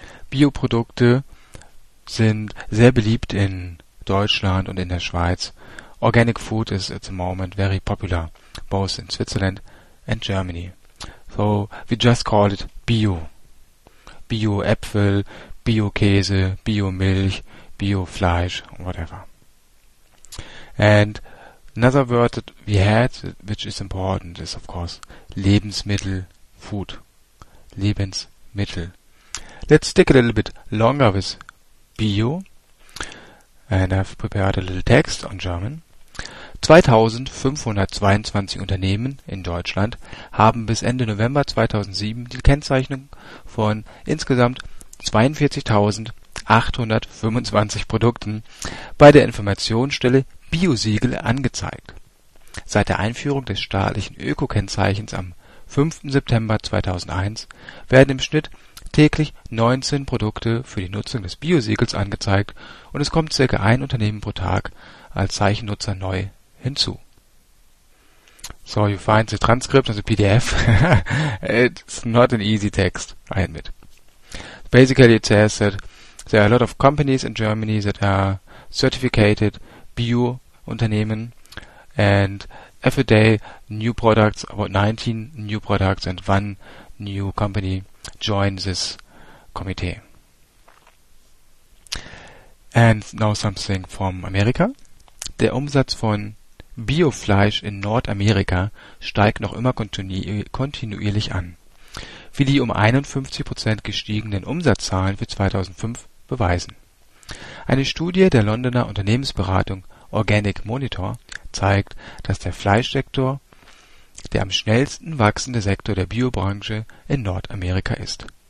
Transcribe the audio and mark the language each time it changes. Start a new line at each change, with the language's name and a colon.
German: Bioprodukte sind sehr beliebt in Deutschland und in der Schweiz.
English: Organic food is at the moment very popular, both in Switzerland and Germany. So we just call it bio.
German: Bio-Äpfel, Bio-Käse, Bio-Milch, Bio-Fleisch,
English: whatever. And another word that we had, which is important, is of course Lebensmittel, food. Lebensmittel. Let's stick a little bit longer with bio. And I've prepared a little text on German.
German: 2522 Unternehmen in Deutschland haben bis Ende November 2007 die Kennzeichnung von insgesamt 42.825 Produkten bei der Informationsstelle Biosiegel angezeigt. Seit der Einführung des staatlichen Öko-Kennzeichens am 5. September 2001 werden im Schnitt täglich 19 Produkte für die Nutzung des Biosiegels angezeigt und es kommt ca. ein Unternehmen pro Tag als Zeichennutzer neu hinzu.
English: So, you find the transcript and the PDF. It's not an easy text, I admit. Basically, it says that there are a lot of companies in Germany that are certificated Bio-Unternehmen and every day new products, about 19 new products and one new company join this committee. And now something from America.
German: Der Umsatz von Biofleisch in Nordamerika steigt noch immer kontinuierlich an, wie die um 51% gestiegenen Umsatzzahlen für 2005 beweisen. Eine Studie der Londoner Unternehmensberatung Organic Monitor zeigt, dass der Fleischsektor der am schnellsten wachsende Sektor der Biobranche in Nordamerika ist.